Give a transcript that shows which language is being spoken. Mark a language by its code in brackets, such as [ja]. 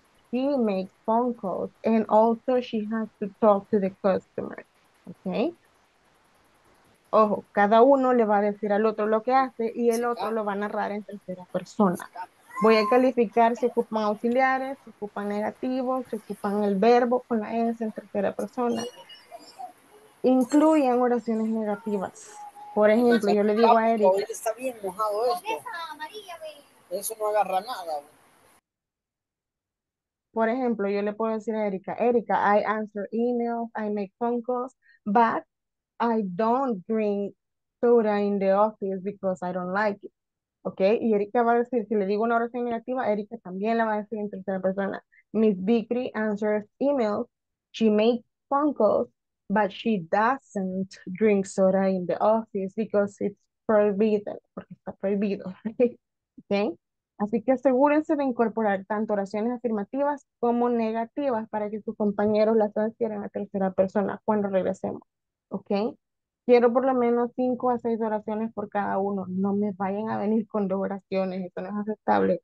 [en] She makes phone calls and also she has to talk to the customer. Okay. [es] Ojo, cada uno le va a decir al otro lo que hace y el otro lo va a narrar en tercera persona. Voy a calificar si ocupan auxiliares, si ocupan negativos, si ocupan el verbo con la S en tercera persona. Incluyen oraciones negativas. Por ejemplo, yo le digo a Eric. Está bien mojado esto. Eso no agarra nada. Por ejemplo, yo le puedo decir a [en] Erika, Erika, I answer emails, I make phone calls, but I don't drink soda in the office because I don't like it. [es] Okay, y Erika va a decir, si le digo una oración negativa, Erika también la va a decir en tercera persona. [en] Miss Vickery answers emails, she makes phone calls, but she doesn't drink soda in the office because it's prohibited, [es] porque está prohibido. [en] Okay. [es] Así que asegúrense de incorporar tanto oraciones afirmativas como negativas para que sus compañeros las transfieran a tercera persona cuando regresemos. ¿Ok? Quiero por lo menos 5 a 6 oraciones por cada uno. No me vayan a venir con 2 oraciones. Eso no es aceptable.